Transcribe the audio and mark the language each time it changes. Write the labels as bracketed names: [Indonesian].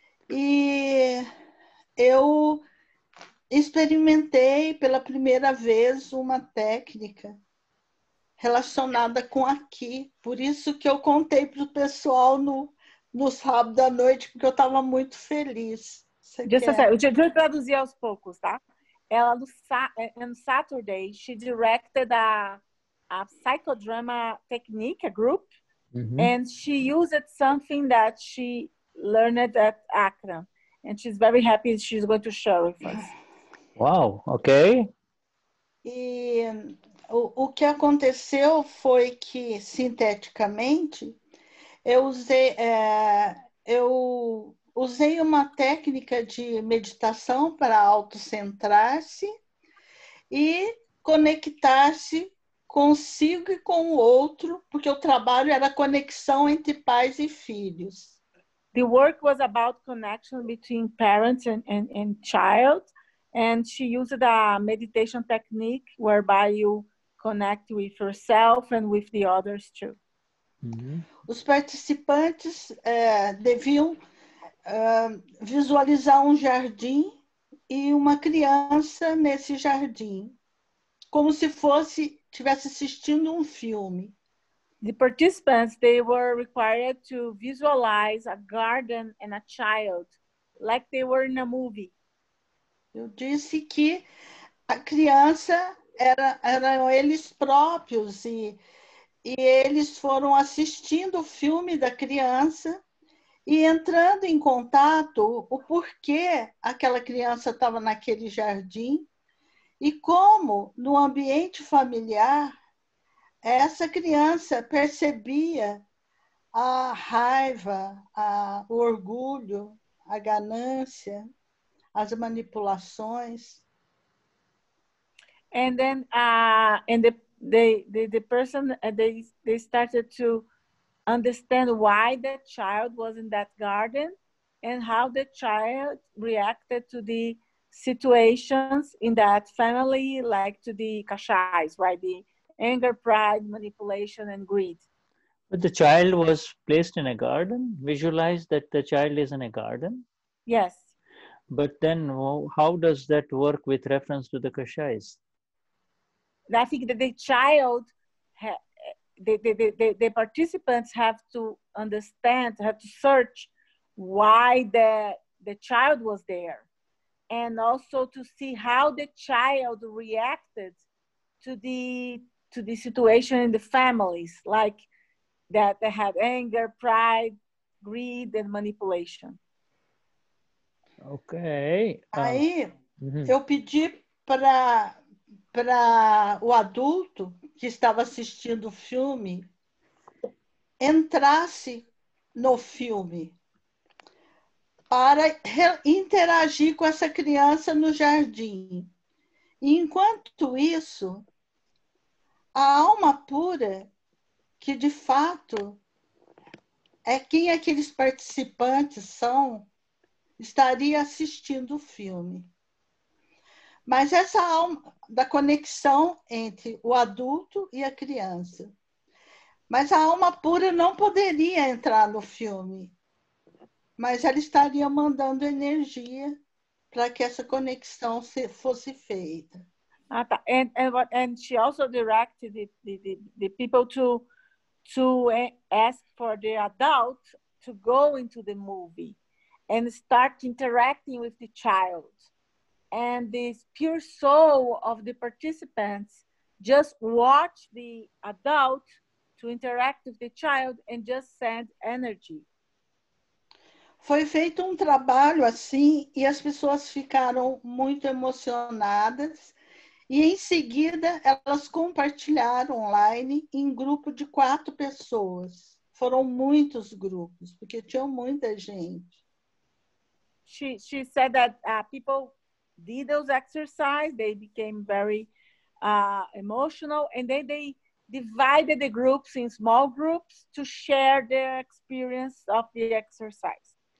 [Portuguese] E eu experimentei pela primeira vez uma técnica relacionada com aqui. Por isso que eu contei para o pessoal no sábado à noite, porque eu estava muito feliz. Deixa eu traduzir aos poucos, tá? Ela, [English] no Saturday, she directed a psychodrama technique, a group, and she used something that she learned at Akron. And she's very happy she's going to share with us. Wow, okay. [Portuguese] E o que aconteceu foi que, sinteticamente, eu usei uma técnica de meditação para autocentrar-se e conectar-se consigo e com o outro, porque o trabalho era conexão entre pais e filhos. [English] The work was about connection between parents and child, and she used a meditation technique whereby you connect with yourself and with the others too. Mm-hmm. [Portuguese] Os participantes deviam visualizar um jardim e uma criança nesse jardim, como se fosse tivesse assistindo um filme. [English] The participants, they were required to visualize a garden and a child, like they were in a movie. [Portuguese] Eu disse que a criança eram eles próprios e eles foram assistindo o filme da criança e entrando em contato o porquê aquela criança estava naquele jardim e como, no ambiente familiar, essa criança percebia a raiva, o orgulho, a ganância, as manipulações. [English] And then the person started to understand why that child was in that garden and how the child reacted to the situations in that family, like to the kashais, right? The anger, pride, manipulation, and greed. But the child was placed in a garden. Visualize that the child is in a garden. Yes. But then how does that work with reference to the kashais? I think that the child, the participants have to understand, have to search why the child was there. And also to see how the child reacted to the situation in the families, like that they had anger, pride, greed, and manipulation. Ok. [Portuguese] Aí, eu pedi para o adulto que estava assistindo o filme entrasse no filme para interagir com essa criança no jardim. E enquanto isso, a alma pura, que de fato é quem aqueles participantes são, estaria assistindo o filme. Mas essa alma da conexão entre o adulto e a criança. Mas a alma pura não poderia entrar no filme. Mas ela estaria mandando energia para que essa conexão fosse feita. Ah, tá. [English] And she also directed the people to ask for the adult to go into the movie and start interacting with the child. And this pure soul of the participants just watch the adult to interact with the child and just send energy. [Portuguese] Foi feito um trabalho assim e as pessoas ficaram muito emocionadas. E em seguida, elas compartilharam online em grupo de 4 pessoas. Foram muitos grupos, porque tinham muita gente. [English] She said that people did those exercises, they became very emotional, and then they divided the groups in small groups to share their experience of the exercise.